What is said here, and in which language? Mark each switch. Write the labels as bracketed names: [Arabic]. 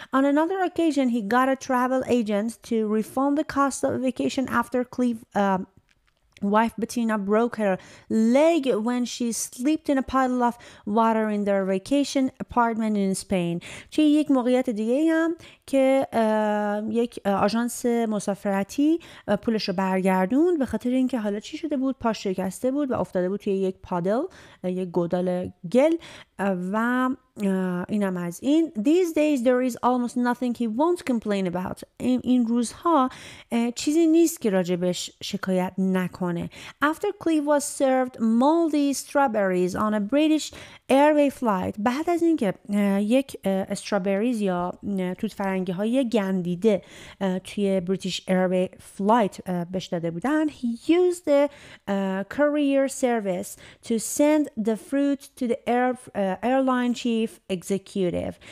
[English] On another occasion he got a travel agent to refund the cost of vacation after wife Bettina broke her leg when she slipped in a puddle of water in their vacation apartment in Spain. [Persian] چه یک موقعیت دیگه هم که یک آژانس مسافرتی پولش رو برگردوند به خاطر اینکه حالا چی شده بود, پاش شکسته بود و افتاده بود توی یک پادل, یک گودال گل. و اینم از این. [English] These days there is almost nothing he won't complain about. [Persian] این روزها چیزی نیست که راجبش شکایت نکنه. [English] After Cleve was served moldy strawberries on a British Airway flight, [Persian] بعد از اینکه یک استرابریز یا توت فرنگی های گندیده توی بریتیش ایروی فلایت بهش داده بودن, [English] he used the courier service to send the fruit to the airline chief executive.